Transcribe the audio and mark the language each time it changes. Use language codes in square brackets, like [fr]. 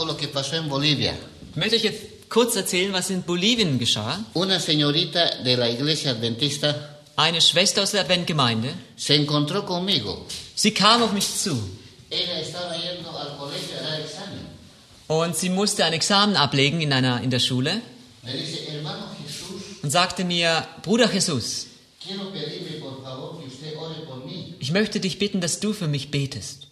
[de] Ich möchte euch jetzt kurz erzählen, was in Bolivien geschah. [es] Una señorita de la iglesia adventista, [de] eine Schwester aus der Adventgemeinde, [es] se encontró conmigo. [de] Sie kam auf mich zu. [es] Ella estaba yendo al colegio a dar examen. [de] Und sie musste ein Examen ablegen in der Schule. [es] Me dice, hermano Jesús, [de] und sagte mir, Bruder Jesus, [es] quiero pedirle, por favor, que usted ore por mí. [de] Ich möchte dich bitten, dass du für mich betest.